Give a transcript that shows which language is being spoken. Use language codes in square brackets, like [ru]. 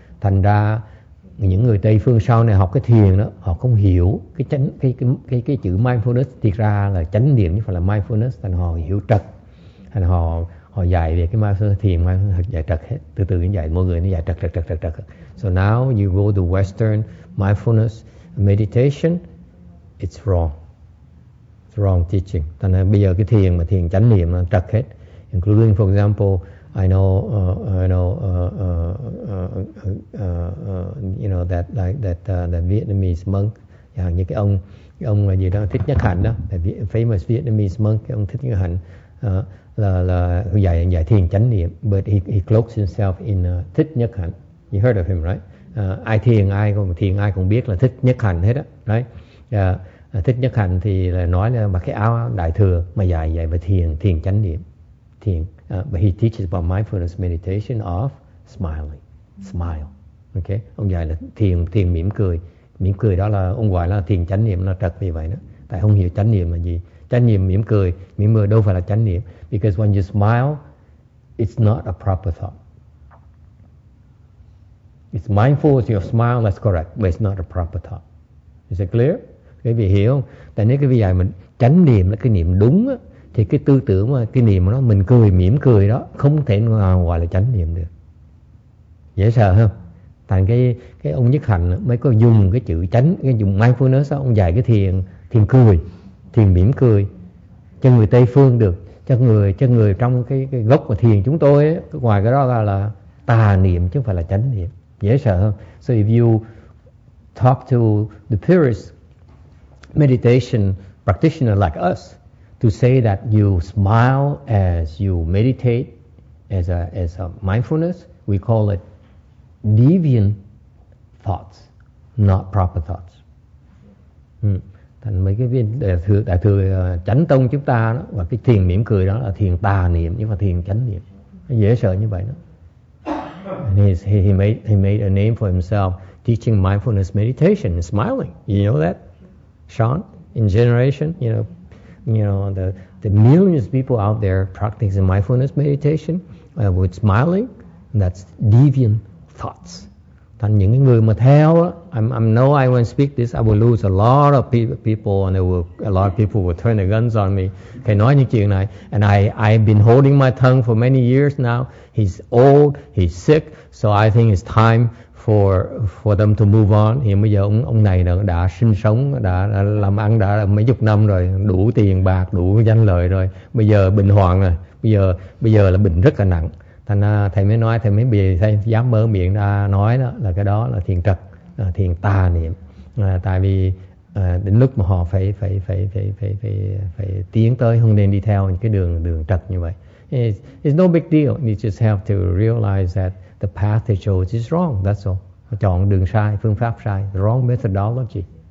[vi] Thành ra những người Tây phương sau này học cái thiền đó, họ không hiểu cái chữ mindfulness thiệt ra là chánh niệm chứ không phải là mindfulness, thành họ hiểu trật, thành họ dạy về cái mindfulness thiền mà dạy trật hết, từ từ dạy mọi người nó dạy trật. [en] So now you go to Western mindfulness meditation, it's wrong. It's wrong teaching. [vi] Thành ra bây giờ cái thiền mà thiền chánh niệm nó trật hết. [en] Including for example, I know that Vietnamese monk, yeah, [vi] như cái ông là gì đó Thích Nhất Hạnh đó, [en] famous Vietnamese monk, [vi] cái ông Thích Nhất Hạnh là dạy thiền chánh niệm, [en] but he cloaks himself in Thích Nhất Hạnh. You heard of him, right? [vi] Ai cũng biết là Thích Nhất Hạnh hết á, right? Thích Nhất Hạnh thì là nói là mặc cái áo đại thừa mà dạy về thiền chánh niệm, thiền. [en] But he teaches about mindfulness meditation of smiling, smile. [vi] Okay, ông dạy là thiền mỉm cười đó là ông gọi là thiền chánh niệm, nó trật vì vậy đó. Tại không hiểu chánh niệm là gì. Chánh niệm mỉm cười đâu phải là chánh niệm. [en] Because when you smile, it's not a proper thought. It's mindful of your smile, that's correct, but it's not a proper thought. Is it clear? [vi] Quý vị hiểu không? Tại nếu quý vị dạy mình chánh niệm là cái niệm đúng á, thì cái tư tưởng mà cái niệm đó mình cười mỉm cười đó không thể nào gọi là chánh niệm được. Dễ sợ không? Thành cái ông Nhất Hạnh mới có dùng cái chữ chánh, cái dùng mindfulness đó, ông dạy cái thiền cười, thiền mỉm cười cho người Tây phương được, cho người trong cái gốc của thiền chúng tôi ấy, ngoài cái đó ra là tà niệm chứ không phải là chánh niệm. Dễ sợ không? [en] So if you talk to the purest meditation practitioner like us, to say that you smile as you meditate as a mindfulness, we call it deviant thoughts, not proper thoughts. [vi] Thành mấy cái viên đại thừa chánh tông chúng ta đó, và cái thiền mỉm cười đó là thiền tà niệm nhưng mà thiền chánh niệm, dễ sợ như vậy đó. [en] And he made a name for himself teaching mindfulness meditation and smiling. You know that, Sean? In generation, you know the millions of people out there practicing mindfulness meditation with smiling, that's deviant thoughts. [vi] Thành những người mà theo, [en] I know I won't speak this, I will lose a lot of people and a lot of people will turn their guns on me. [vi] Okay, nói những chuyện này. [en] And I've been holding my tongue for many years now. He's old, he's sick, so I think it's time for them to move on. [vi] Hiện bây giờ ông này đã sinh sống, đã làm ăn, đã mấy chục năm rồi, đủ tiền bạc, đủ danh lợi rồi. Bây giờ bệnh hoạn rồi, bây giờ là bệnh rất là nặng. Thành thầy mới nói, thầy mới bị thầy dám mở miệng ra nói đó, là cái đó là thiền trật, là thiền tà niệm. Tại vì đến lúc mà họ phải tiến tới, không nên đi theo những cái đường trật như vậy. [en] It's no big deal. You just have to realize that the path they chose is wrong. That's all. [vi] Họ chọn đường sai, phương pháp sai, [en] wrong methodology.